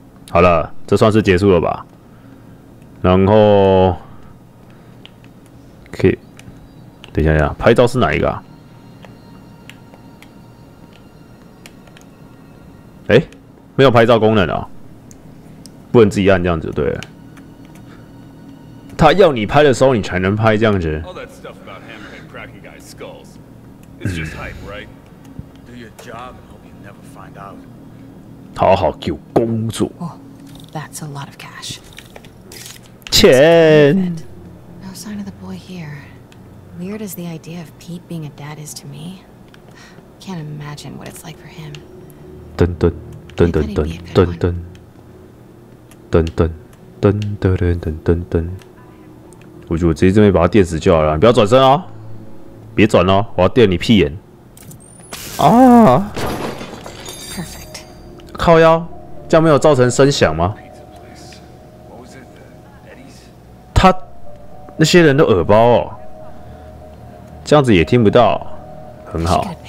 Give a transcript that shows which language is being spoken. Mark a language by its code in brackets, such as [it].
[zh] 好了，这算是结束了吧。然后可以等一下，拍照是哪一个啊？哎、欸，没有拍照功能啊、喔，不能自己按这样子，对了。他要你拍的时候，你才能拍这样子。 [en] All that stuff about him and cracking guys' skulls, it's just hype, right? Do your job and hope you never find out. [zh] 好好给我工作。 [en] That's a lot of cash. 钱。No sign of the boy here. Weird as the idea of Pete being a dad is to me, can't imagine what it's like for him. 噔噔噔噔噔噔噔噔噔噔噔噔噔噔噔。 [zh] 我觉得我直接这边把他电死就好了，不要转身哦，别转哦，我要电你屁眼。 [en] 啊！Perfect. [zh] 靠腰，这样没有造成声响吗？他那些人都耳包哦，这样子也听不到，很好。